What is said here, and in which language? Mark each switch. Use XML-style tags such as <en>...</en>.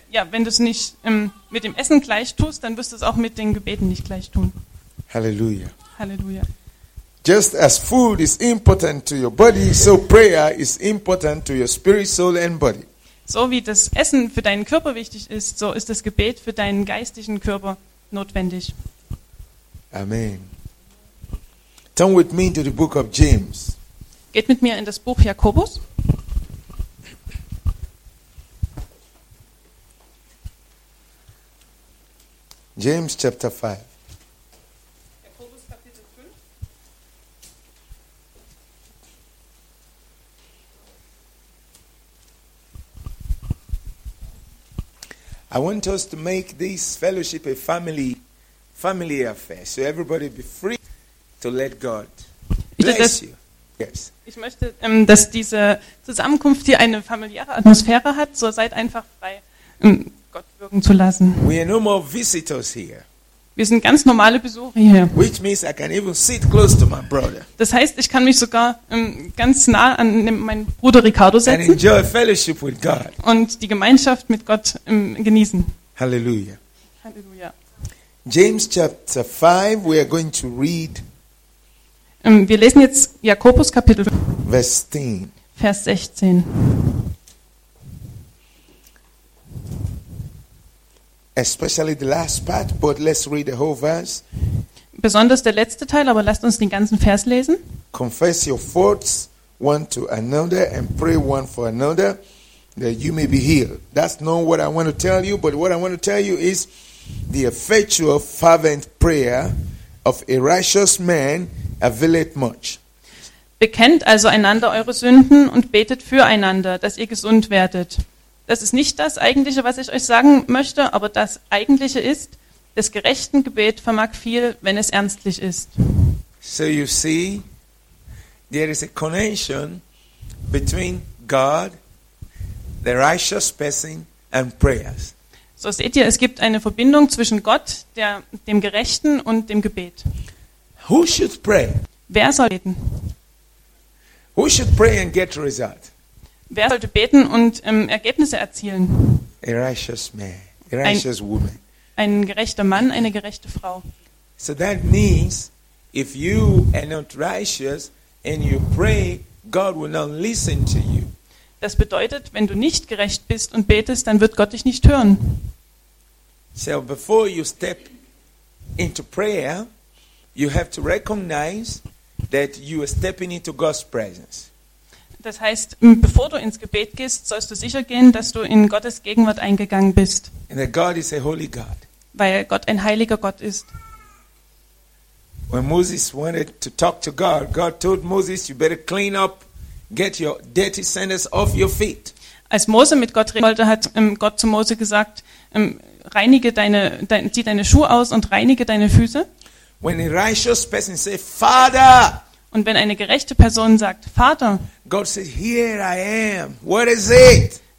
<de>Wenn du es nicht mit dem Essen gleich tust, dann wirst du es auch mit den Gebeten nicht gleich tun. Halleluja. Halleluja.</de> <en>Just as food is important to your body, so prayer is important to your spirit, soul and body.</en> <de>So wie das Essen für deinen Körper wichtig ist, so ist das Gebet für deinen geistigen Körper notwendig.</de> <en>Amen. Turn with me to the book of James.</en> <de>Geht mit mir in das Buch Jakobus.</de> <en>James chapter 5. I want us to make this fellowship a family affair, so everybody be free to let God bless you. Yes.</en> <de>Ich möchte, dass diese Zusammenkunft hier eine familiäre Atmosphäre hat, so seid einfach frei, Gott wirken zu lassen.</de> <en>We are no more visitors here.</en> <de>Wir sind ganz normale Besucher hier.</de> <en>Which means I can even sit close to my brother.</en> <de>Das heißt, ich kann mich sogar ganz nah an meinen Bruder Ricardo setzen</de> <en>and enjoy fellowship with God.</en> <de>Und die Gemeinschaft mit Gott genießen. Halleluja. Halleluja.</de> <en>James chapter 5, we are going to read.</en> <de>Wir lesen jetzt Jakobus Kapitel 5, Vers 10. Vers 16.</de> <en>Especially the last part, but let's read the whole verse.</en> <de>Besonders der letzte Teil, aber lasst uns den ganzen Vers lesen.</de> <en>Confess your faults one to another and pray one for another that you may be healed. That's not what I want to tell you, but what I want to tell you is the effectual fervent prayer of a righteous man availeth much.</en> <de>Bekennt also einander eure Sünden und betet füreinander, dass ihr gesund werdet. Das ist nicht das Eigentliche, was ich euch sagen möchte, aber das Eigentliche ist, des gerechten Gebet vermag viel, wenn es ernstlich ist.</de> <en>So you see, there is a connection between God, the righteous person, and prayers.</en> <de>So seht ihr, es gibt eine Verbindung zwischen Gott, dem Gerechten und dem Gebet.</de> <en>Who should pray?</en> <de>Wer soll beten?</de> <en>Who should pray and get a result?</en> <de>Wer sollte beten und Ergebnisse erzielen?</de> <en>A righteous man, a righteous woman.</en> <de>Ein gerechter Mann, eine gerechte Frau.</de> <en>So that means, if you are not righteous and you pray, God will not listen to you.</en> <de>Das bedeutet, wenn du nicht gerecht bist und betest, dann wird Gott dich nicht hören.</de> <en>So before you step into prayer, you have to recognize that you are stepping into God's presence.</en> <de>Das heißt, bevor du ins Gebet gehst, sollst du sicher gehen, dass du in Gottes Gegenwart eingegangen bist.</de> <en>And that God is a holy God.</en> <de>Weil Gott ein heiliger Gott ist.</de> <en>When Moses wanted to talk to God, God told Moses, you better clean up, get your dirty sandals off your feet.</en> <de>Als Mose mit Gott reden wollte, hat Gott zu Mose gesagt, zieh deine Schuhe aus und reinige deine Füße.</de> <en>When a righteous person says, Father,</en> <de>Und wenn eine gerechte Person sagt, Vater,</de> <en>God says, here I am. What is it?</en>